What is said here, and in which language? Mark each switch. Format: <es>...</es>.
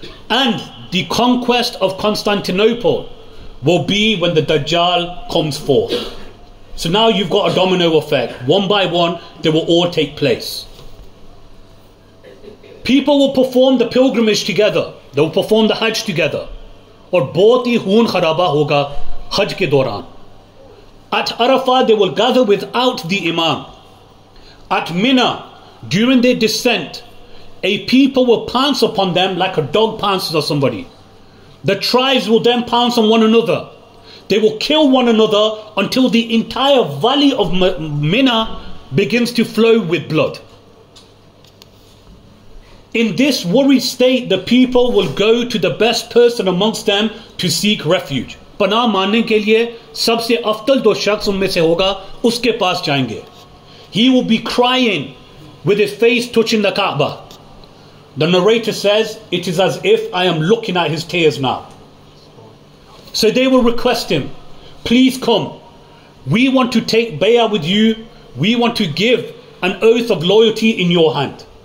<en>And the conquest of Constantinople will be when the Dajjal comes forth. So now you've got a domino effect. One by one, they will all take place. People will perform the pilgrimage together. They will perform the Hajj together.</en> <ur>اور بہت ہی خون خرابہ ہوگا حج کے دوران۔</ur> <en>At Arafah, they will gather without the Imam. At Mina, during their descent, a people will pounce upon them like a dog pounces on somebody. The tribes will then pounce on one another. They will kill one another until the entire valley of Mina begins to flow with blood. In this worried state, the people will go to the best person amongst them to seek refuge.</en> <ur>پناہ ماننے کے لیے سب سے افضل دو شخص ان میں سے ہوگا اس کے پاس جائیں گے.</ur> <en>He will be crying with his face touching the Kaaba. The narrator says, it is as if I am looking at his tears now. So they will request him, please come. We want to take bayah with you. We want to give an oath of loyalty in your hand.</en>